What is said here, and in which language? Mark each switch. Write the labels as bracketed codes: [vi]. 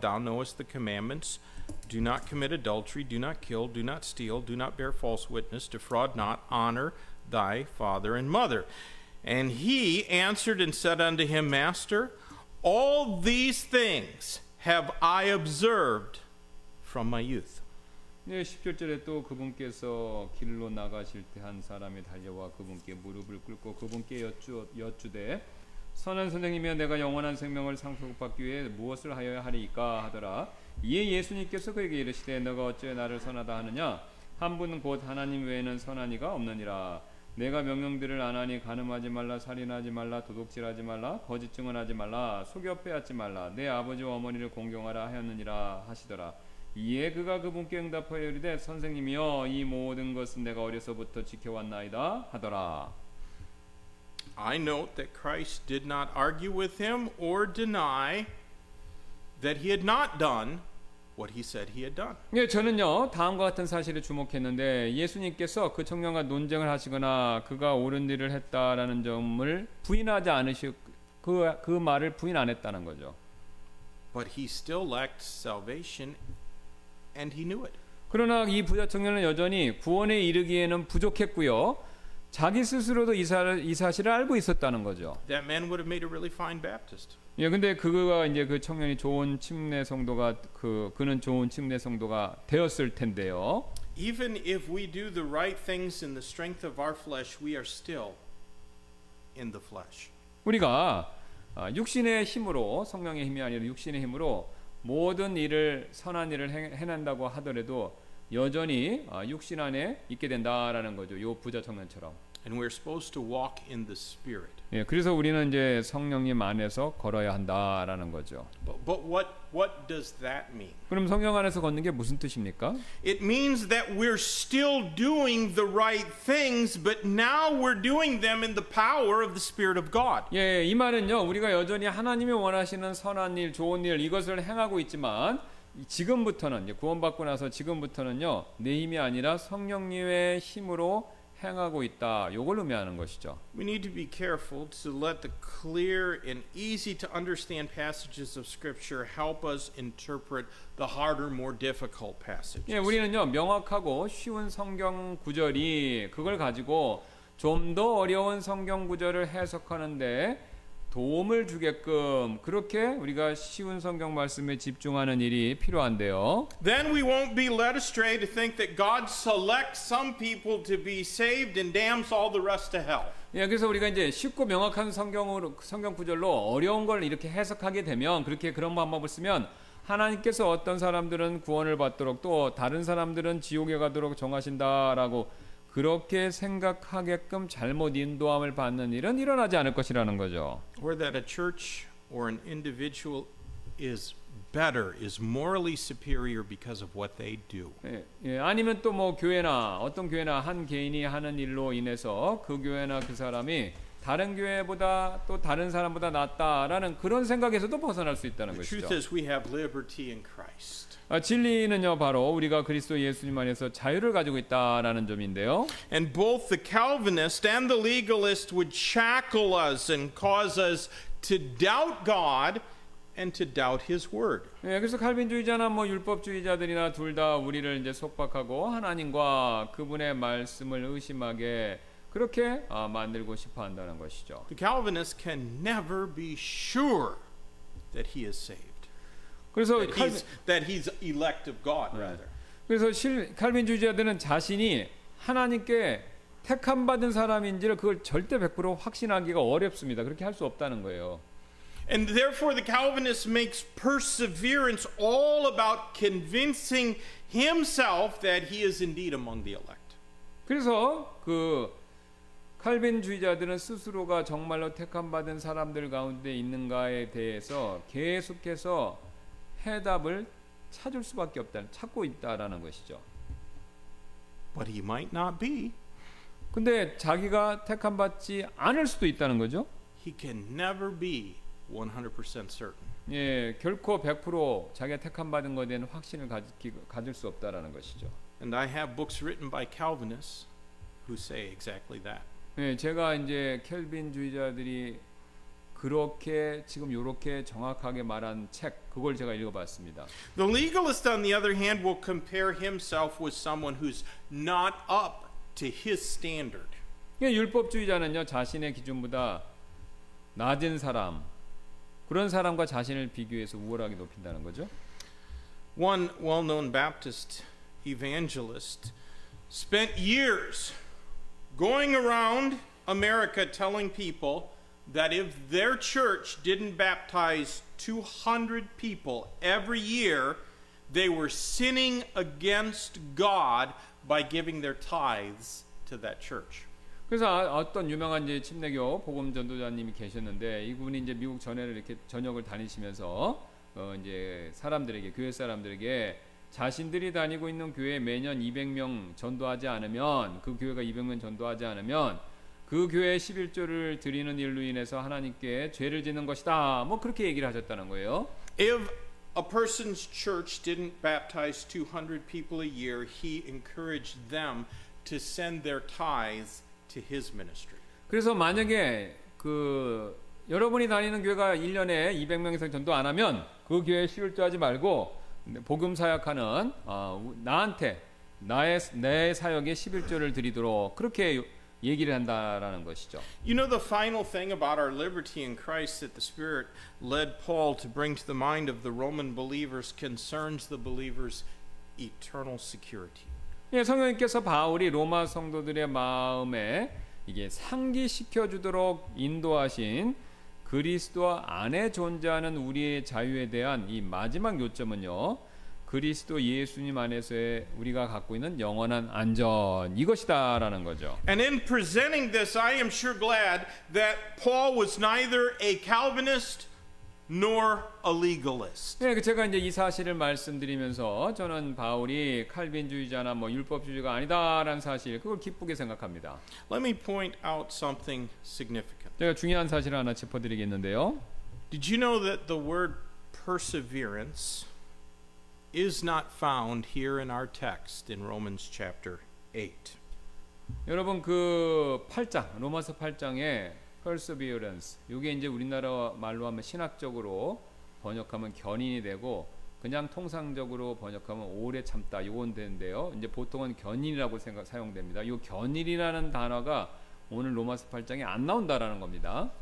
[en] Thou knowest the commandments. Do not commit adultery, do not kill, do not steal, do not bear false witness, defraud not, honor thy father and mother. And he answered and said unto him, Master, all these things have I observed from my youth. [ko] 네, 17절에 또 그분께서 길로 나가실 때 한 사람이 달려와 그분께 무릎을 꿇고 그분께 여쭈되 선한 선생님이여 내가 영원한 생명을 상속받기 위해 무엇을 하여야 하리까 하더라 이에 예수님께서 그에게 이르시되 너가 어찌 나를 선하다 하느냐 한 분 곧 하나님 외에는 선한 이가 없느니라 내가 명령들을 안 하니 간음하지 말라 살인하지 말라 도둑질하지 말라 거짓 증언하지 말라 속여 빼앗지 말라 내 아버지와 어머니를 공경하라 하였느니라 하시더라 이에 그가 그분께 응답하여 이르되 선생님이여 이 모든 것은 내가 어려서부터 지켜왔나이다 하더라. [en] I note that Christ did not argue with him or deny that he had not done what he said he had done. [ko] 예, 저는요 다음과 같은 사실에 주목했는데 예수님께서 그 청년과 논쟁을 하시거나 그가 옳은 일을 했다라는 점을 부인하지 않으시 그 말을 부인 안 했다는 거죠. [en] But he still lacked salvation. And he knew it. [ko] 그러나 이 부자 청년은 여전히 구원에 이르기에는 부족했고요. 자기 스스로도 이 사실을 알고 있었다는 거죠. [en] That man would have made a really fine Baptist. [ko] 예, 근데 그가 이제 그 청년이 좋은 침례 성도가 그는 좋은 침례 성도가 되었을 텐데요. [en] Even if we do the right things in the strength of our flesh, we are still in the flesh. [ko] 우리가 육신의 힘으로 성령의 힘이 아니라 육신의 힘으로 모든 일을 선한 일을 해낸다고 하더라도 여전히 육신 안에 있게 된다라는 거죠. 요 부자 청년처럼. [en] And we're supposed to walk in the spirit. [ko] 예, 그래서 우리는 이제 성령님 안에서 걸어야 한다라는 거죠. [en] But what does that mean? [ko] 그럼 성령 안에서 걷는 게 무슨 뜻입니까? [en] It means that we're still doing the right things, but now we're doing them in the power of the Spirit of God. [ko] 예, 이 말은요. 우리가 여전히 하나님이 원하시는 선한 일, 좋은 일 이것을 행하고 있지만 지금부터는 이제 구원받고 나서 지금부터는요. 내 힘이 아니라 성령님의 힘으로 행하고 있다. 요걸 의미하는 것이죠. [en] We need to be careful to let the clear and easy to understand passages of scripture help us interpret the harder, more difficult passages. [ko] 예, 우리는요. 명확하고 쉬운 성경 구절이 그걸 가지고 좀 더 어려운 성경 구절을 해석하는 데 도움을 주게끔 그렇게 우리가 쉬운 성경 말씀에 집중하는 일이 필요한데요. [en] Then we won't be led astray to think that God selects some people to be saved and damns all the rest to hell. [ko] 예, 그래서 우리가 이제 쉽고 명확한 성경으로 성경 구절로 어려운 걸 이렇게 해석하게 되면 그렇게 그런 방법을 쓰면 하나님께서 어떤 사람들은 구원을 받도록 또 다른 사람들은 지옥에 가도록 정하신다라고 그렇게 생각하게끔 잘못 인도함을 받는 일은 일어나지 않을 것이라는 거죠. [en] Or that a church or an individual is better, is morally superior because of what they do. [ko] 예, 아니면 또 뭐 교회나 어떤 교회나 한 개인이 하는 일로 인해서 그 교회나 그 사람이 다른 교회보다 또 다른 사람보다 낫다라는 그런 생각에서도 벗어날 수 있다는 것이죠. [en] The truth is we have liberty in Christ. [ko] 아, 진리는요 바로 우리가 그리스도 예수님 안에서 자유를 가지고 있다라는 점인데요. [en] And both the Calvinist and the legalist would shackle us and cause us to doubt God and to doubt His word. [ko] 예, 그래서 칼빈주의자나 뭐 율법주의자들이나 둘 다 우리를 이제 속박하고 하나님과 그분의 말씀을 의심하게 그렇게 만들고 싶어한다는 것이죠. [en] The Calvinist can never be sure that he is saved. [ko] 그래서 [en] that he's elect of God rather. [ko] 그래서 칼빈주의자들은 자신이 하나님께 택함 받은 사람인지를 그걸 절대 100% 확신하기가 어렵습니다. 그렇게 할 수 없다는 거예요. [en] And therefore the Calvinist makes perseverance all about convincing himself that he is indeed among the elect. [ko] 그래서 그 칼빈주의자들은 스스로가 정말로 택함 받은 사람들 가운데 있는가에 대해서 계속해서 해답을 찾을 수밖에 없다. 찾고 있다라는 것이죠. [en] But he might not be. [ko] 근데 자기가 택함 받지 않을 수도 있다는 거죠. [en] He can never be 100% certain. [ko] 예, 결코 100% 자기가 택함 받은 것에 대한 확신을 가질 수 없다라는 것이죠. [en] And I have books written by Calvinists who say exactly that. [ko] 예, 제가 이제 켈빈주의자들이 그렇게 지금 이렇게 정확하게 말한 책 그걸 제가 읽어봤습니다. [en] The legalist, on the other hand, will compare himself with someone who's not up to his standard. [ko] 예, 율법주의자는요 자신의 기준보다 낮은 사람 그런 사람과 자신을 비교해서 우월하게 높인다는 거죠. [en] One well-known Baptist evangelist spent years going around America telling people that if their church didn't baptize 200 people every year, they were sinning against God by giving their tithes to that church. [ko] 그래서 어떤 유명한 이제 침례교 복음 전도자님이 계셨는데 이분이 이제 미국 전역을 이렇게 전역을 다니시면서 이제 사람들에게 교회 사람들에게 자신들이 다니고 있는 교회 매년 200명 전도하지 않으면 그 교회가 200명 전도하지 않으면 그 교회 십일조를 드리는 일로 인해서 하나님께 죄를 짓는 것이다. 뭐 그렇게 얘기를 하셨다는 거예요. [en] If a person's church didn't baptize 200 people a year, he encouraged them to send their tithes to his ministry. [ko] 그래서 만약에 그 여러분이 다니는 교회가 1년에 200명 이상 전도 안 하면 그 교회 십일조하지 말고 복음 사역하는 나한테 내 사역에 십일조를 드리도록 그렇게 얘기를 한다라는 것이죠. [en] You know the final thing about our liberty in Christ that the Spirit led Paul to bring to the mind of the Roman believers concerns the believers' eternal security. [ko] 예, 성령님께서 바울이 로마 성도들의 마음에 이게 상기시켜 주도록 인도하신 그리스도 안에 존재하는 우리의 자유에 대한 이 마지막 요점은요. 그리스도 예수님 안에서의 우리가 갖고 있는 영원한 안전 이것이다라는 거죠. [en] And in presenting this, I am sure glad that Paul was neither a Calvinist nor a legalist. [ko] 네, 제가 이제 이 사실을 말씀드리면서 저는 바울이 칼빈주의자나 뭐 율법주의자가 아니다라는 사실 그걸 기쁘게 생각합니다. [en] Let me point out something significant. [ko] 제가 중요한 사실을 하나 짚어드리겠는데요. [en] Did you know that the word perseverance is not found here in our text in Romans chapter 8? [ko] 여러분 그 8장, 로마서 8장에 perseverance, 이게 이제 우리나라 말로 하면 신학적으로 번역하면 견인이 되고 그냥 통상적으로 번역하면 오래 참다, 요건 되는데요. 이제 보통은 견인이라고 사용됩니다. 이 견인이라는 단어가 오늘 로마서 8장에 안 나온다라는 겁니다.